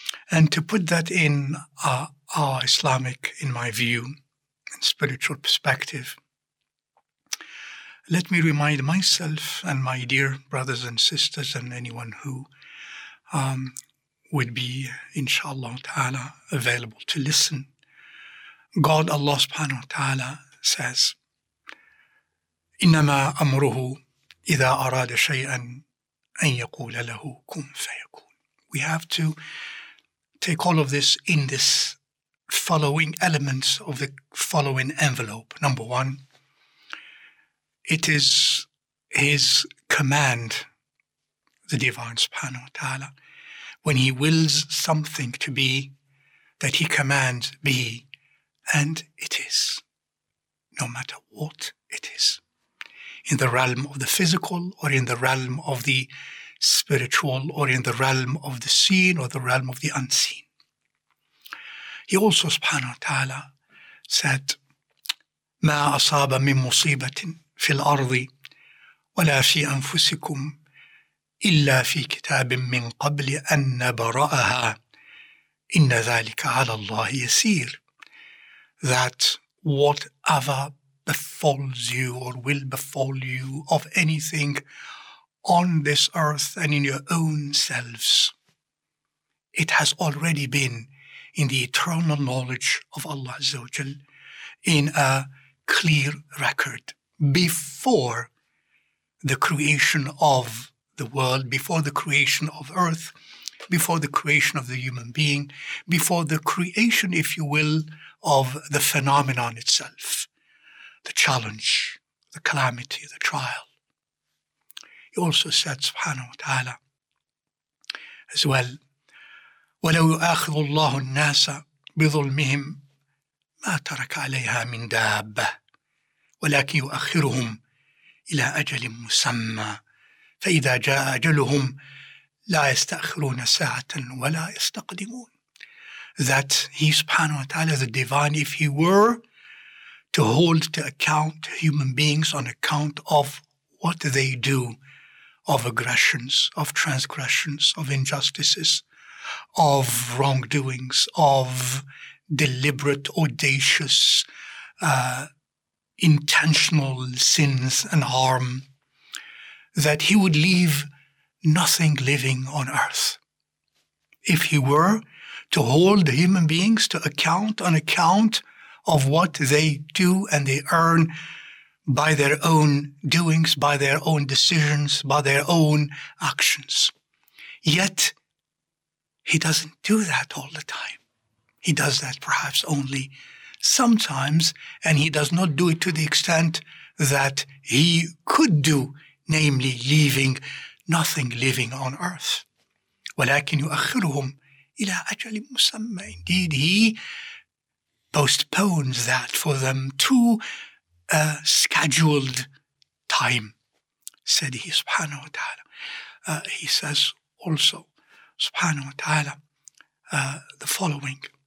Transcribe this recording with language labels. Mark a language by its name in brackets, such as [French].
[English] And to put that in our Islamic, in my view, and spiritual perspective, let me remind myself and my dear brothers and sisters and anyone who would be, inshallah ta'ala, available to listen. God, Allah subhanahu wa ta'ala, says, [Arabic] إِنَّمَا أَمْرُهُ إِذَا أَرَادَ شَيْئًا أَنْ يَقُولَ لَهُ كُنْ فَيَكُونَ. [English] We have to take all of this in this following elements of the following envelope. Number one, it is his command, the Divine subhanahu wa ta'ala, when he wills something to be, that he commands be, and it is, no matter what it is, in the realm of the physical, or in the realm of the spiritual, or in the realm of the seen, or the realm of the unseen. He also subhanahu wa ta'ala said, [Arabic] مَا أَصَابَ مِن مُصِيبَةٍ في الأرض ولا في أنفسكم إلا في كتاب من قبل أن نبرأها إن ذلك على الله يسير. [English] That whatever befalls you or will befall you of anything on this earth and in your own selves, it has already been in the eternal knowledge of Allah Azza wa Jal in a clear record. Before the creation of the world, before the creation of earth, before the creation of the human being, before the creation, if you will, of the phenomenon itself, the challenge, the calamity, the trial. He also said, subhanahu wa ta'ala, as well, [Arabic] وَلَوْ يُؤَاخِذُ اللَّهُ النَّاسَ بِظُلْمِهِمْ مَا تَرَكَ عَلَيْهَا مِنْ دَابَّةِ ولكن يؤخرهم إلى أجل مسمى فإذا جاء أجلهم لا يستأخرون ساعة ولا يستقدمون. [English] That he subhanahu wa ta'ala, the divine, if he were to hold to account human beings on account of what they do, of aggressions, of transgressions, of injustices, of wrongdoings, of deliberate, audacious, intentional sins and harm, that he would leave nothing living on earth. If he were to hold human beings to account on account of what they do and they earn by their own doings, by their own decisions, by their own actions. Yet, he doesn't do that all the time. He does that perhaps only sometimes, and he does not do it to the extent that he could do, namely leaving nothing living on earth. [Arabic] ولكن يؤخرهم إلى أجل مسمى. [English] Indeed, he postpones that for them to a scheduled time, said he, subhanahu wa ta'ala. He says also, subhanahu wa ta'ala, the following.